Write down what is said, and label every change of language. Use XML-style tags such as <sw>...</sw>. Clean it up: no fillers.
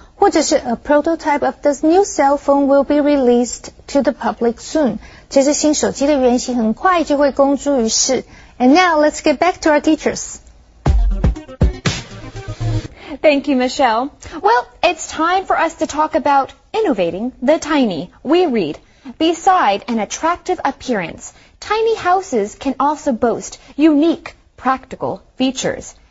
<zh>或者是</zh> <en>a prototype of this new cell phone will be released to the public soon.</en> <zh>其实新手机的原型很快就会公诸于世。</zh> <en>And now, let's get back to our teachers. Thank you, Michelle. Well, it's time for us to talk about innovating the tiny. We read, beside an attractive appearance, tiny houses can also boast unique, practical features.</en>